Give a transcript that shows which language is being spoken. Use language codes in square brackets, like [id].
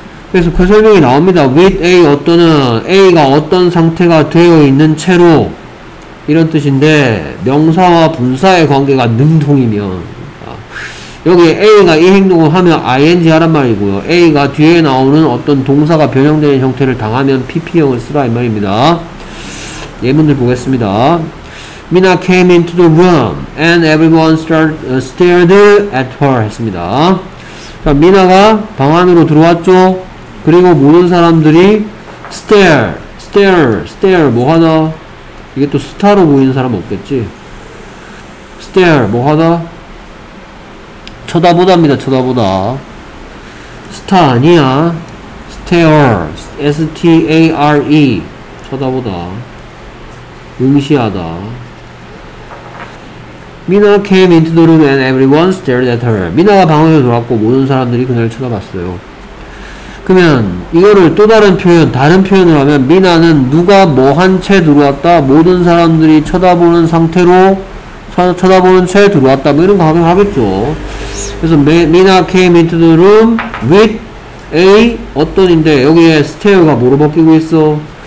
[ko] 그래서 그 설명이 나옵니다. with a 어떤은 a가 어떤 상태가 되어 있는 채로 이런 뜻인데 명사와 분사의 관계가 능동이면, 아, 여기 a가 이 행동을 하면 ing 하란 말이고요. a가 뒤에 나오는 어떤 동사가 변형되는 형태를 당하면 pp형을 쓰라 이 말입니다. 예문들 보겠습니다. [en] Mina came into the room and everyone stared at her [ko] 했습니다. 자, 미나가 방 안으로 들어왔죠. 그리고 모든 사람들이 stare 뭐하다? 이게 또 스타로 보이는 사람 없겠지. stare 뭐하다? 쳐다보답니다. 쳐다보다. 스타 아니야. stare, s-t-a-r-e 쳐다보다, 응시하다. [en] Mina came into the room and everyone stared at her. [ko] 미나가 방으로 들어왔고 모든 사람들이 그녀를 쳐다봤어요. 그러면 이거를 또 다른 표현, 다른 표현을 하면 미나는 누가 뭐 한 채 들어왔다, 모든 사람들이 쳐다보는 상태로 쳐다보는 채 들어왔다 뭐 이런 거 가능하겠죠. 그래서 미나 came into the room with a 어떤인데 여기에 스테어가 뭐로 바뀌고 있어?